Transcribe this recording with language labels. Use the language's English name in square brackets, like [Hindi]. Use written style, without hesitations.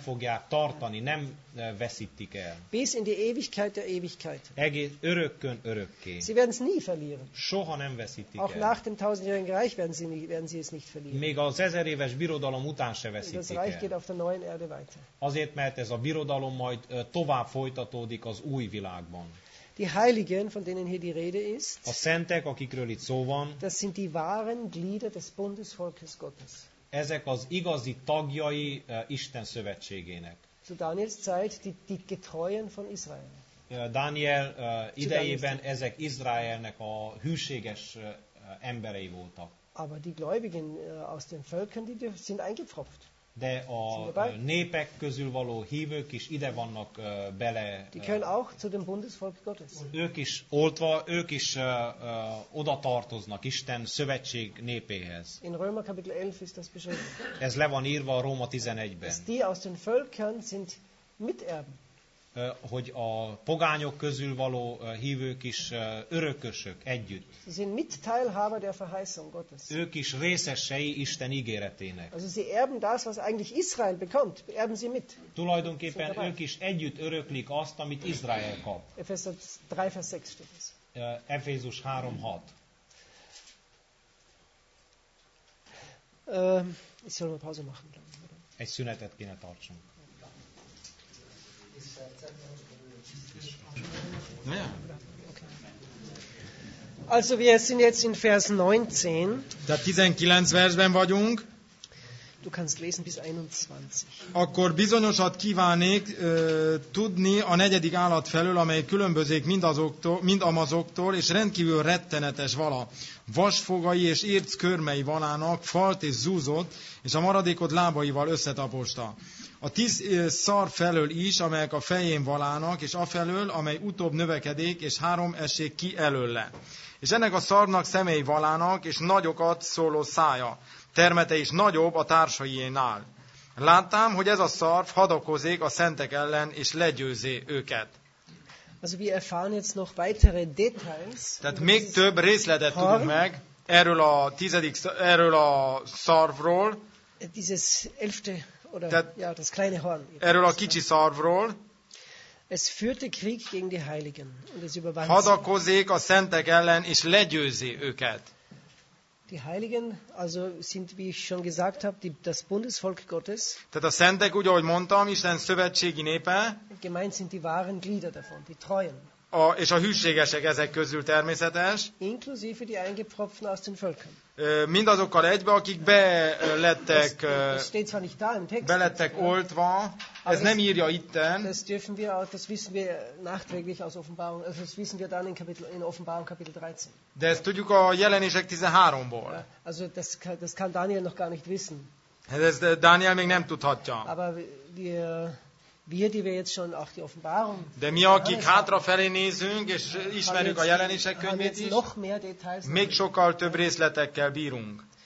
[Hungarian] fogják tartani, nem veszítik el. [German] Bis in die Ewigkeit der Ewigkeit. [Hungarian] Egész örökkön örökké. [German] Sie werden es nie verlieren. [Hungarian] Soha nem veszítik [German] auch [Hungarian] el. [German] Nach dem tausendjährigen Reich werden sie es nicht verlieren. [Hungarian] Még az ezer éves birodalom után se veszítik [German] das Reich [Hungarian] el. [German] Geht auf der neuen Erde weiter. [Hungarian] Azért, mert ez a birodalom majd tovább folytatódik az új világban. [German] Die Heiligen, von denen hier die Rede ist, [Hungarian] a szentek, akikről itt szó van, [German] das sind die wahren Glieder des Bundesvolkes Gottes. [Hungarian] Ezek az igazi tagjai Isten szövetségének. [German] Zu Daniels Zeit die Getreuen von Israel. [Hungarian] Daniel idejében ezek Izraelnek a hűséges emberei voltak. [German] Aber die Gläubigen aus den Völkern, die sind eingepfropft. [Hungarian] De a népek közül való hívők is ide vannak bele. [German] Die können auch zu dem Bundesvolk Gottes. [Hungarian] Ők is oltva, ők is oda tartoznak Isten szövetség népéhez. [German] In Römer Kapitel 11 ist das beschrieben. [Hungarian] Ez le van írva a Róma 11-ben. [German] Dass die aus den Völkern sind Miterben. [Hungarian] Hogy a pogányok közül való hívők is örökösök együtt. [German] Sie sind Mitteilhaber der Verheißung Gottes. [Hungarian] Ők is részesei Isten ígéretének. [German] Also sie erben das, was eigentlich Israel bekommt. Erben sie mit. [Hungarian] Tulajdonképpen ők is együtt öröklik azt, amit Izrael kap. [German] Ephesians 3, vers 6 steht es. [Hungarian] Ephesus 3, 6. [German] Ich soll eine Pause machen. [Hungarian] Egy szünetet kéne tartsunk. [German] Ja. Also wir sind jetzt in Vers 19. [Hungarian] Da 19 versben vagyunk. [German] Du kannst lesen bis 21. [Hungarian] Akkor bizonyosat kívánnék tudni a negyedik állat felől, amely különbözik mind amazoktól, és rendkívül rettenetes vala. Vasfogai és érc körmei valának, falt és zúzott, és a maradékot lábaival összetaposta. A 10 szar felől is, amelyek a fején valának, és afelől, amely utóbb növekedék, és 3 esék ki előle. És ennek a szarnak szemei valának, és nagyokat szóló szája. Termete is nagyobb a társaiénál. Láttam, hogy ez a szarv hadakozik a szentek ellen, és legyőzi őket. [German] Also wir erfahren jetzt noch weitere Details. [Hungarian] Tehát még több részletet tudunk meg erről a tizedik, erről a szarvról. [German] Dieses elfte, oder, [Hungarian] tehát, [German] ja, das kleine Horn. [Hungarian] Erről a kicsi szarvról. [German] Es führte Krieg gegen die Heiligen, und es überwand sie. [Hungarian] Hadakozik a szentek ellen, és legyőzi őket. [German] Die Heiligen, also sind, wie ich schon gesagt habe, die, das Bundesvolk Gottes. [Hungarian] Tehát a szentek, úgy ahogy mondtam, Isten szövetségi népe. [German] Gemeint sind die wahren Glieder davon, die Treuen. [Hungarian] A, és a hűségesek ezek közül természetes. [German] Inklusive die Eingepfropften aus den Völkern. [Hungarian] Mindazokkal egybe, akik belettek, belettek oltva. Ez nem írja itten. [German] Das dürfen wir auch, das wissen wir nachträglich aus Offenbarung, also das wissen wir dann in Kapitel, in Offenbarung Kapitel 13. [Hungarian] De ezt tudjuk a Jelenések 13-ból. [German] Also das, das kann Daniel noch gar nicht wissen. [Hungarian] Ez Daniel még nem tudhatja. [German] Aber wir, wir, die wir jetzt schon auch die Offenbarung. [Hungarian] De mi, akik hátrafelé nézünk, és ismerjük a Jelenések könyvét is, [German] noch mehr Details, [Hungarian] még sokkal több részletekkel bírunk.